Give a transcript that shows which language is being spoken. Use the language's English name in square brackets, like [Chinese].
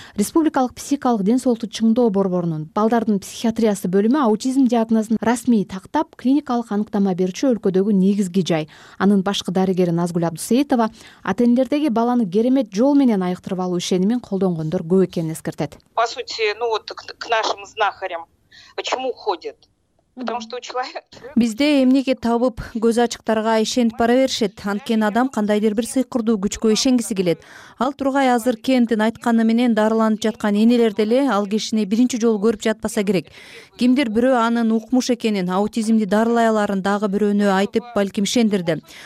[Kyrgyz] Республикалык психикалык ден соолукту чыңдоо борборунун балдардын психиатриясы бөлүмү аутизм диагнозун расмий тактап, клиникалык аныктама берүүчү өлкөдөгү негизги жай. Анын башкы дарыгери Назгүл Абдусейитова ата-энелердеги баланы керемет жол менен айыктырып алуу ишенимин колдонгондор көп экенин эскертет. [Russian] По сути, ну вот к нашим знахарям почему ходят? Потому что у человека [Kyrgyz] бизде эмнеге табып көз ачыктарга ишенип бара беришет. Анткени адам кандайдыр бир сыйкырдуу күчкө ишенгиси келет. Ал тургай азыр Кендин айтканы менен дарыланып жаткан энелер деле ал кишини биринчи жолу көрүп жатпаса керек. Кимдир бирөө анын укмуш экенин, аутизмди дарылай аларын дагы бирөөнө айтып, балким ишендирди.